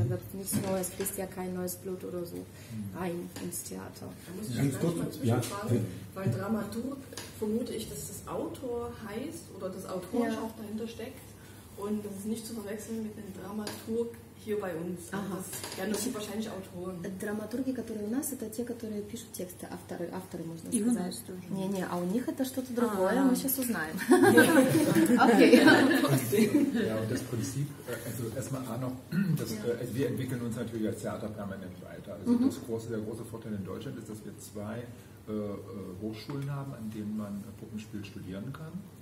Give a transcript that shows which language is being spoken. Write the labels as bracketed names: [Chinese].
[German] Da wird nichts Neues, fließt ja kein neues Blut oder so rein ins Theater. Da muss ich ganz kurz mal zwischenfragen, weil Dramaturg vermute ich, dass das Autor heißt oder das Autorenschaft dahinter steckt und das ist nicht zu verwechseln mit einem Dramaturg hier bei uns. Aha. Ja, das sind wahrscheinlich Autoren. [Russian] Dramaturgi, которые у нас, это те, которые пишут тексты, авторы можно сказать. Не, а у них это что-то другое, мы сейчас узнаем. Окей. [German] Ja, und das Prinzip, also erstmal auch noch, wir entwickeln uns natürlich als Theater permanent weiter. Also das große, der große Vorteil in Deutschland ist, dass wir zwei Hochschulen haben, an denen man Puppenspiel studieren kann.